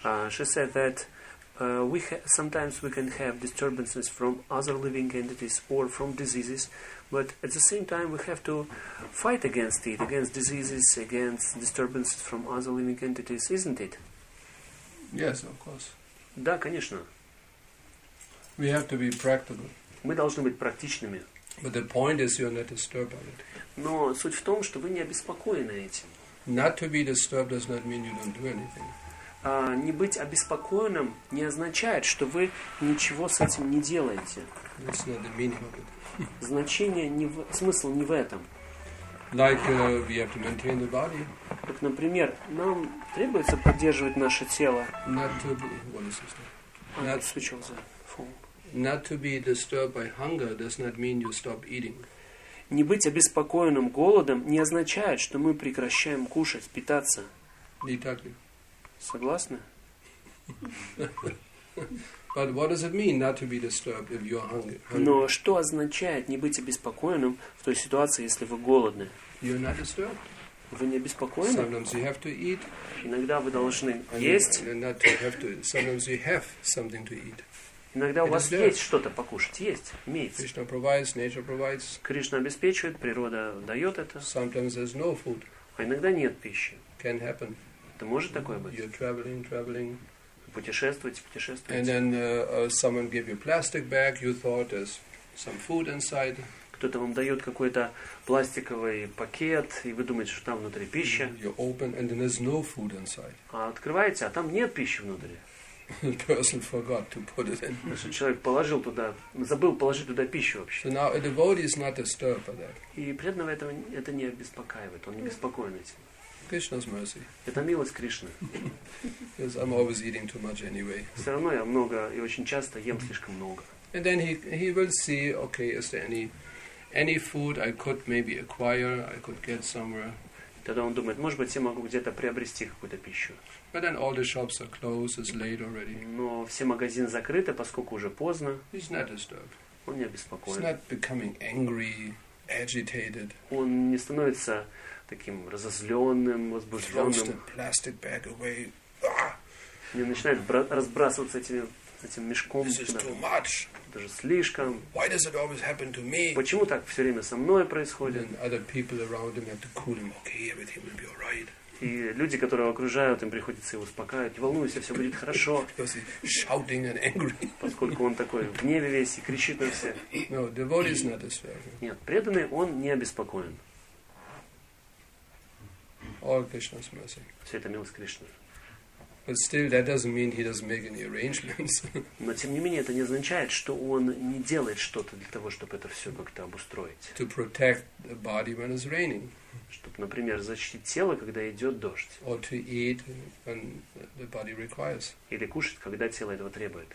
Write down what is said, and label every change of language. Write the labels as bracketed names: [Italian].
[English] She said that sometimes we can have disturbances from other living entities or from diseases, but at the same time we have to fight against it, against diseases, against disturbances from other living entities, isn't it? Yes, of course. [Russian] Да, конечно. [English] We have to be practical. [Russian] Мы должны быть практичными. [English] But the point is you're not disturbed by it. [Russian] Но суть в том, что вы не обеспокоены этим. [English] Not to be disturbed does not mean you don't do anything. [Russian] Не быть обеспокоенным не означает, что вы ничего с этим не делаете. [English] That's not the meaning of it. [Russian] Значение, смысл не в этом. [English] Like, we have to maintain the body. [Russian] Так, например, нам требуется поддерживать наше тело. [English] Not to be, what is this? Not to be disturbed by hunger does not mean you stop eating. [Russian] Не быть обеспокоенным голодом не означает, что мы прекращаем кушать, питаться. Не так ли? Согласны? [English] But what does it mean not to be disturbed if you are hungry? [Russian] Но что означает не быть обеспокоенным в той ситуации, если вы голодны? [English] You're not disturbed. [Russian] Вы не обеспокоены? [English] Sometimes you have to eat. [Russian] Иногда вы должны есть. [English] Not to have to. Sometimes you have something to eat. [Russian] Иногда у вас есть что-то покушать, есть, имеется. [English] Krishna provides, nature provides. [Russian] Кришна обеспечивает, природа дает это. [English] Sometimes there's no food. [Russian] А иногда нет пищи. [English] Can happen. [Russian] Может такое быть? [English] You're traveling. [Russian] Путешествуете. [English] And then someone gave you a plastic bag, you thought there's some food inside. [Russian] Кто-то вам дает какой-то пластиковый пакет, и вы думаете, что там внутри пища. [English] You open and then there's no food inside. [Russian] А открываете, а там нет пищи внутри. [English] The person forgot to put it in. [Russian] Человек положил туда, забыл положить туда пищу вообще. [English] So now a devotee is not disturbed by that. [Russian] И преданного этого это не обеспокаивает, он не беспокоен этим. [English] Krishna's mercy. [Russian] Это милость Кришны. [English] Because I'm always eating too much anyway. [Russian] Все равно я много и очень часто ем слишком много. [English] And then he will see, okay, is there any food I could maybe acquire, I could get somewhere. [Russian] Тогда он думает, может быть, я могу где-то приобрести какую-то пищу. [English] But then all the shops are closed, it's late already. [Russian] Но все магазины закрыты, поскольку уже поздно. [English] He's not disturbed. [Russian] Он не обеспокоен. [English] He's not becoming angry, agitated. [Russian] Он не становится таким разозленным, возбужденным. [English] Plastic bag away. [Russian] Не начинает разбрасываться этим мешком. [English] This is too much. [Russian] Даже слишком. [English] Why does it always happen to me? [Russian] Почему так все время со мной происходит? [English] And other people around him have to cool him. Okay, everything will be all right. [Russian] И люди, которые окружают, им приходится его успокаивать. Волнуйся, все будет хорошо. [English] Because he's shouting and angry. [Russian] Поскольку он такой в гневе весь и кричит на все. [English] No, devotee is not disturbed. [Russian] Нет, преданный, он не обеспокоен. [English] All Krishna's mercy. [Russian] Все это милость Кришны. [English] But still, that doesn't mean he doesn't make any arrangements. [Russian] Но тем не менее это не означает, что он не делает что-то для того, чтобы это все как-то обустроить. [English] To protect the body when it's raining. [Russian] Чтобы, например, защитить тело, когда идет дождь. [English] Or to eat when the body requires. [Russian] Или кушать, когда тело этого требует.